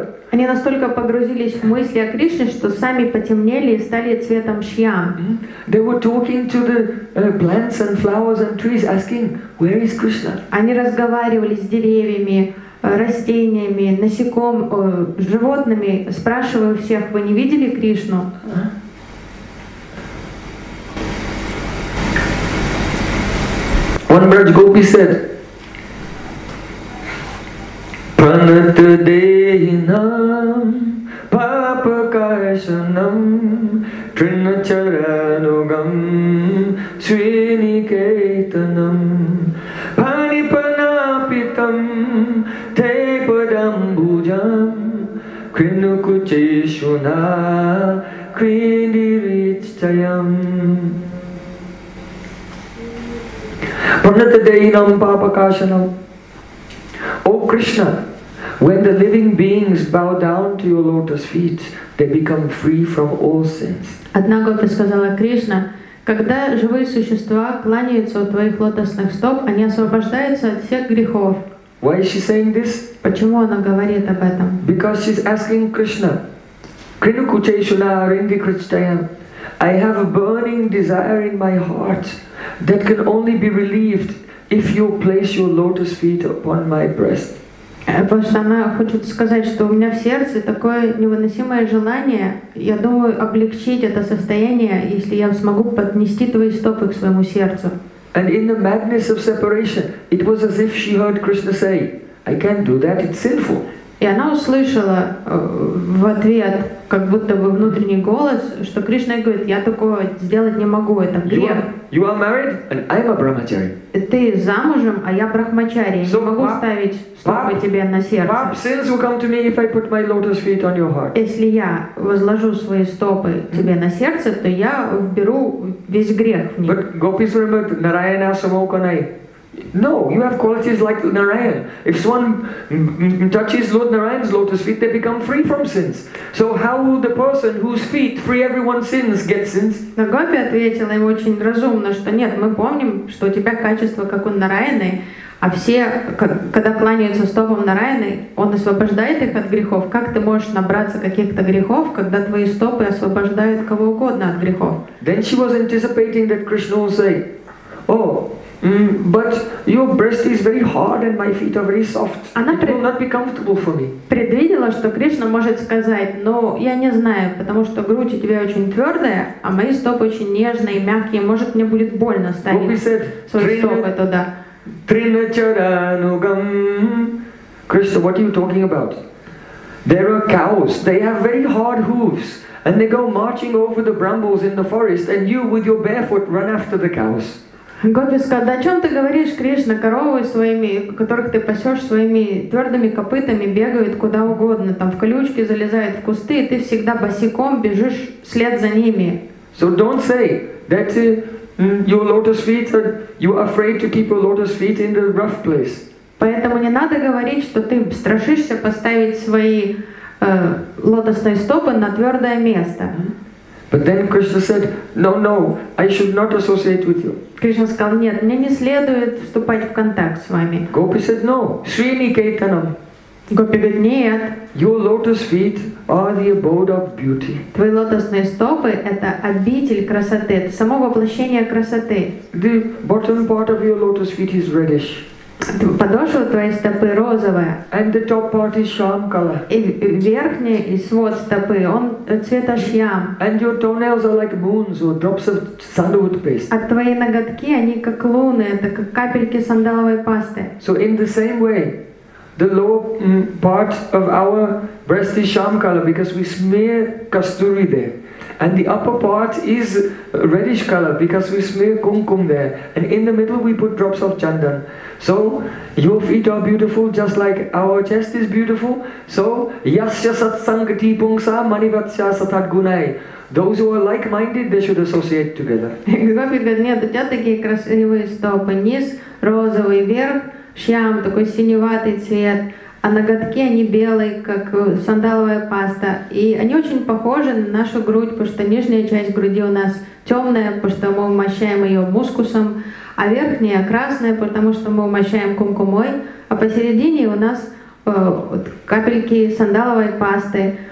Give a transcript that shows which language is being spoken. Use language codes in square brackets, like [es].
[ru] Они настолько погрузились в мысли о Кришне, что сами потемнели и стали цветом шьям. [en] They were talking to the plants and flowers and trees, asking, where is Krishna? [ru] Они разговаривали с деревьями, растениями, насекомыми, животными, спрашивая у всех, вы не видели Кришну? [en] One Braj Gopi said. [sa] Pranatadehinam papakarsanam trinacharanugam sviniketanam panipanapitam tepadambujam krinukucheshuna krinirichtayam Pranatadehinam papakarsanam. [en] O Krishna, when the living beings bow down to your lotus feet, they become free from all sins. [ru] Однако ты сказала Кришна, когда живые существа кланяются у твоих лотосных стоп, они освобождаются от всех грехов. [en] Why is she saying this? [ru] Почему она говорит об этом? [en] Because she's asking Krishna, [sa] Krinukucheshuna Rindikrishtayam, [en] I have a burning desire in my heart that can only be relieved if you place your lotus feet upon my breast. [ru] Потому что она хочет сказать, что у меня в сердце такое невыносимое желание, я думаю, облегчить это состояние, если я смогу поднести твои стопы к своему сердцу. [en] And in the madness of separation, it was as if she heard Krishna say, I can't do that, it's sinful. [ru] И она услышала в ответ, как будто бы внутренний голос, что Кришна говорит, я такого сделать не могу, это грех. [en] You are married, and I'm a brahmachari. [ru] Ты замужем, а я брахмачари. Не могу ставить стопы тебе на сердце. [en] Pap, sins will come to me if I put my lotus feet on your heart. [ru] Если я возложу свои стопы тебе на сердце, то я вберу весь грех в них. [en] But gopis remember Narayana Samokanai. No, you have qualities like Narayan. If someone touches Lord Narayan's lotus feet, they become free from sins. So how will the person whose feet free everyone's sins get sins? [ru] Но Гопи ответила ему очень разумно, что нет, мы помним, что у тебя качество, как у Нараяны, а все, когда кланяются стопам Нараяны, он освобождает их от грехов. Как ты можешь набраться каких-то грехов, когда твои стопы освобождают кого угодно от грехов? [en] Then she was anticipating that Krishna will say, oh, but your breast is very hard and my feet are very soft. It will not be comfortable for me. [ru] Предвидела, что Кришна может сказать, но я не знаю, потому что грудь у тебя очень твердая, а мои стопы очень нежные и мягкие, может мне будет больно ставить свои стопы туда. [en] Trinacharanugam. Krishna, what are you talking about? There are cows. They have very hard hooves. And they go marching over the brambles in the forest. And you, with your barefoot, run after the cows. [ru] Гопи сказал, да о чем ты говоришь, Кришна, коровы своими, которых ты пасешь своими твердыми копытами, бегают куда угодно, там в колючки залезают, в кусты, и ты всегда босиком бежишь вслед за ними. [en] So don't say that your lotus feet are, you're afraid to keep your lotus feet in the rough place. [ru] Поэтому не надо говорить, что ты страшишься поставить свои лотосные стопы на твердое место. [en] But then Krishna said, "No, no, I should not associate with you." [ru] Кришна сказал, нет, мне не следует вступать в контакт с вами. [en] Gopi said, "No, Sri Niketanam." [ru] Gopi говорит, нет. [en] Your lotus feet are the abode of beauty. [ru] Твои лотосные стопы это обитель красоты, это само воплощение красоты. [en] The bottom part of your lotus feet is reddish. [ru] Подошва твоей стопы розовая. [en] And the top part is sham color. [ru] И верхний и свод стопы, он цвета шьям. [en] And your toenails are like moons or drops of sandalwood paste. [ru] А твои ноготки, они как луны, это как капельки сандаловой пасты. [en] So in the same way, the lower part of our breast is sham color because we smear kasturi there. And the upper part is reddish color because we smear kumkum there. And in the middle we put drops of chandan. So your feet are beautiful just like our chest is beautiful. [sa] So yasya satsangati pungsa manivatsya satat gunai. [en] Those who are like-minded, they should associate together. [ru] Гопи говорит, нет, у тебя такие красивые стопы. Низ розовый, верх шьям, такой синеватый цвет. А ноготки, они белые, как сандаловая паста. И они очень похожи на нашу грудь, потому что нижняя часть груди у нас темная, потому что мы умощаем ее мускусом, а верхняя красная, потому что мы умощаем кумкумой, а посередине у нас капельки сандаловой пасты.